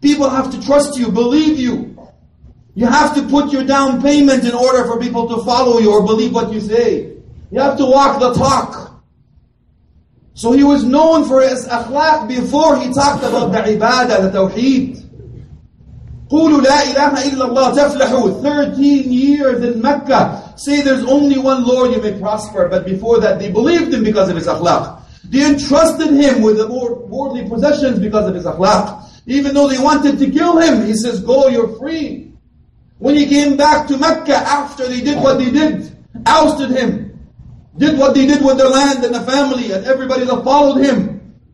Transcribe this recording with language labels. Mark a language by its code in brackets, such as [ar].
[en] People have to trust you, believe you. You have to put your down payment in order for people to follow you or believe what you say. You have to walk the talk. So he was known for his akhlaq before he talked about the ibadah, the tawheed. [ar] قولوا لا إله إلا الله تفلحوا [en] 13 years in Mecca. Say there's only one Lord, you may prosper. But before that, they believed him because of his akhlaq. They entrusted him with the more worldly possessions because of his akhlaq. Even though they wanted to kill him, he says, go, you're free. When he came back to Mecca, after they did what they did, ousted him, did what they did with the land and the family and everybody that followed him.